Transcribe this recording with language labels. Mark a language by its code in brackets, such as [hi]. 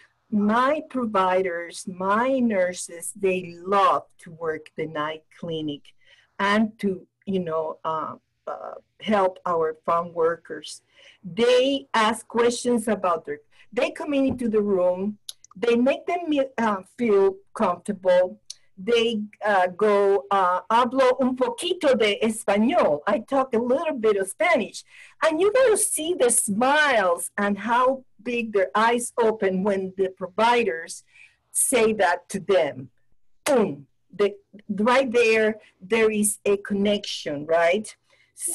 [en] My providers, my nurses, they love to work the night clinic and to, you know, help our farm workers. They ask questions about their, they come into the room, they make them feel comfortable. They go, [es] hablo un poquito de español. [en] I talk a little bit of Spanish. And you gotta see the smiles and how big their eyes open when the providers say that to them. Boom, right there, there is a connection, right? Yeah.